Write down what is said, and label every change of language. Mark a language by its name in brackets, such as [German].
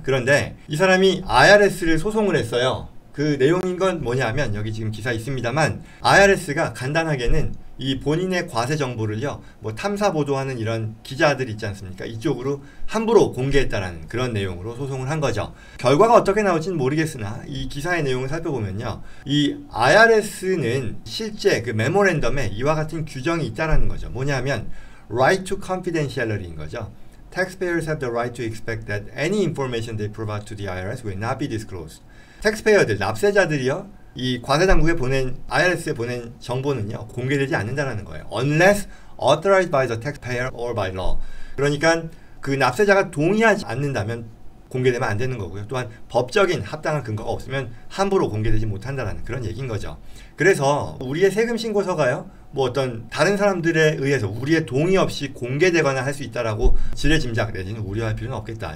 [Korean] 그런데 이 사람이 IRS를 소송을 했어요. 그 내용인 건 뭐냐면, 여기 지금 기사 있습니다만, IRS가 간단하게는 이 본인의 과세 정보를요, 뭐 탐사 보도하는 이런 기자들 있지 않습니까? 이쪽으로 함부로 공개했다라는 그런 내용으로 소송을 한 거죠. 결과가 어떻게 나올진 모르겠으나 이 기사의 내용을 살펴보면요, 이 IRS는 실제 그 메모랜덤에 이와 같은 규정이 있다라는 거죠. 뭐냐면 [English] Right to confidentiality [Korean] 인 거죠. [English] Taxpayers have the right to expect that any information they provide to the IRS will not be disclosed. [Korean] 택스페이어들, 납세자들이요, 이 과세당국에 보낸, IRS에 보낸 정보는요, 공개되지 않는다라는 거예요. [English] Unless authorized by the taxpayer or by law. [Korean] 그러니까 그 납세자가 동의하지 않는다면 공개되면 안 되는 거고요. 또한 법적인 합당한 근거가 없으면 함부로 공개되지 못한다라는 그런 얘기인 거죠. 그래서 우리의 세금 신고서가요, 뭐 어떤 다른 사람들에 의해서 우리의 동의 없이 공개되거나 할수 있다라고 지레짐작 내지는 우려할 필요는 없겠다.